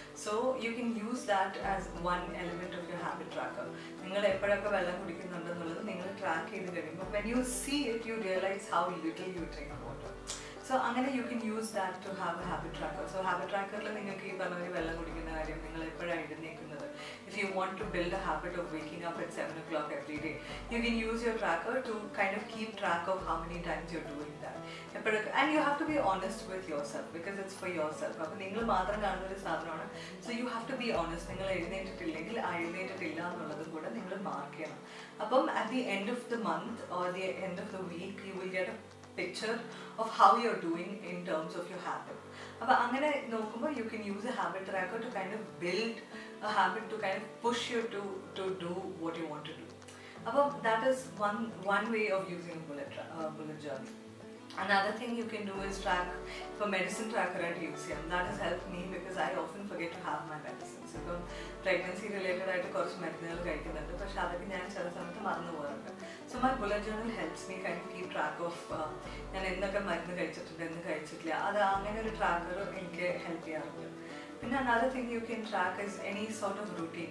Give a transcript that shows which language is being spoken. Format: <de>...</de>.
<en>So you can use that as one element of you habit tracker.</en> <ml>നിങ്ങൾ എപ്പോഴൊക്കെ വെള്ളം കുടിക്കുന്നുണ്ടെന്നുള്ളത് നിങ്ങൾ ട്രാക്ക് ചെയ്ത് കഴിയുമ്പോൾ</ml> <en>When you see it you realise how little you drink water.</en> <ml>So അങ്ങനെ</ml> <en>You can use that to have a habit tracker.</en> <ml>So habit ട്രാക്കറിൽ നിങ്ങൾക്ക് ഈ പറഞ്ഞ വെള്ളം കുടിക്കുന്ന കാര്യം നിങ്ങൾ എപ്പോഴാണ് എഴുന്നേക്കുന്നത്.</ml> <en>If you want to build a habit of waking up at 7 o'clock every day, you can use your tracker to kind of keep track of how many times you're doing that. And you have to be honest with yourself because it's for yourself.</en> <ml>അപ്പൊ നിങ്ങൾ മാത്രം കാണുന്ന ഒരു സാധനമാണ്.</ml> <en>So you have to be honest.</en> <ml>നിങ്ങൾ എഴുന്നേറ്റിട്ടില്ലെങ്കിൽ ആ എഴുന്നേറ്റിട്ടില്ല എന്നുള്ളതും കൂടെ നിങ്ങൾ മാർക്ക് ചെയ്യണം.</ml> <en>അപ്പം at the end of the month or the end of the week you will get a picture of how you are doing in terms of your habit.</en> <ml>അപ്പൊ അങ്ങനെ നോക്കുമ്പോൾ</ml> <en>You can use a habit tracker to kind of build a habit to kind push you to do what you want to do. അപ്പൊ that is one way of using bullet journal. Another thing you can do is track for medicine tracker at UCM. That has helped me because I often forget to have my medicines. So, pregnancy related</en> <ml>ആയിട്ട് കുറച്ച് മരുന്നുകൾ കഴിക്കുന്നുണ്ട്, പക്ഷേ അതൊക്കെ ഞാൻ ചില സമയത്ത് മറന്നു പോകാറുണ്ട്.</ml> <en>so my bullet journal helps me kind keep track of</en> <ml>ഞാൻ എന്തൊക്കെ മരുന്ന് കഴിച്ചിട്ടുണ്ട്, എന്ന് കഴിച്ചിട്ടില്ല. അത് അങ്ങനെ ഒരു ട്രാക്കർ എനിക്ക് ഹെൽപ്പ് ചെയ്യാറുണ്ട്. പിന്നെ</ml> <en>Another thing you can track is any sort of routine.</en>